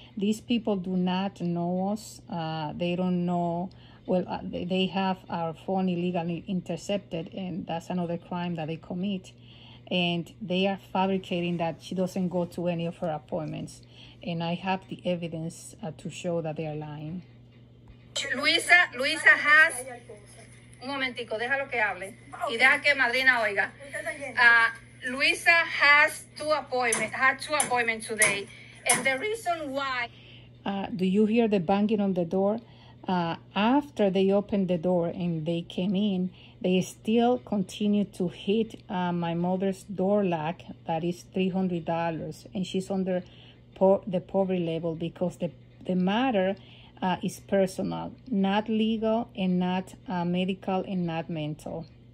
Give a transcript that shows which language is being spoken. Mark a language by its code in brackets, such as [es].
[en] These people do not know us. They don't know. Well, they have our phone illegally intercepted, and that's another crime that they commit. And they are fabricating that she doesn't go to any of her appointments. And I have the evidence to show that they are lying. Luisa has, [es] un momentico, deja lo que hable, y deja que Madrina oiga. [en] Luisa has two appointments today, and the reason why. Do you hear the banging on the door? After they opened the door and they came in, they still continue to hit my mother's door lock, that is $300, and she's under the poverty level because the matter is personal, not legal and not medical and not mental.